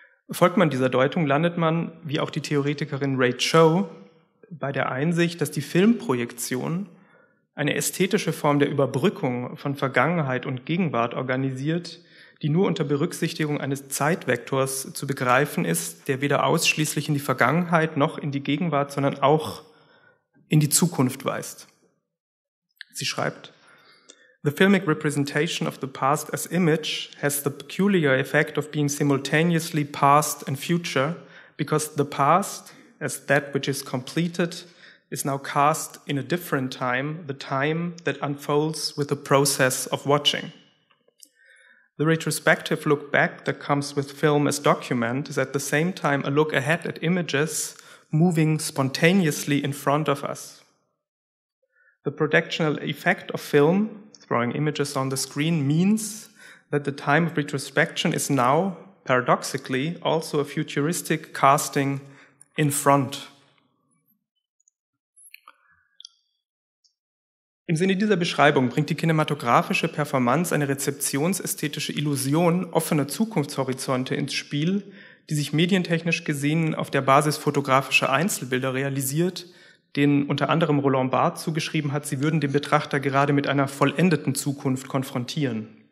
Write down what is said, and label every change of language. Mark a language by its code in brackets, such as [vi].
[de] Folgt man dieser Deutung, landet man, wie auch die Theoretikerin Ray Cho, bei der Einsicht, dass die Filmprojektion eine ästhetische Form der Überbrückung von Vergangenheit und Gegenwart organisiert, die nur unter Berücksichtigung eines Zeitvektors zu begreifen ist, der weder ausschließlich in die Vergangenheit noch in die Gegenwart, sondern auch in die Zukunft weist. Sie schreibt, [en] The filmic representation of the past as image has the peculiar effect of being simultaneously past and future, because the past, as that which is completed, is now cast in a different time, the time that unfolds with the process of watching. The retrospective look back that comes with film as document is at the same time a look ahead at images moving spontaneously in front of us. The projectional effect of film, throwing images on the screen, means that the time of retrospection is now, paradoxically, also a futuristic casting in front. [de] Im Sinne dieser Beschreibung bringt die kinematografische Performance eine rezeptionsästhetische Illusion offener Zukunftshorizonte ins Spiel, die sich medientechnisch gesehen auf der Basis fotografischer Einzelbilder realisiert, denen unter anderem Roland Barthes zugeschrieben hat, sie würden den Betrachter gerade mit einer vollendeten Zukunft konfrontieren.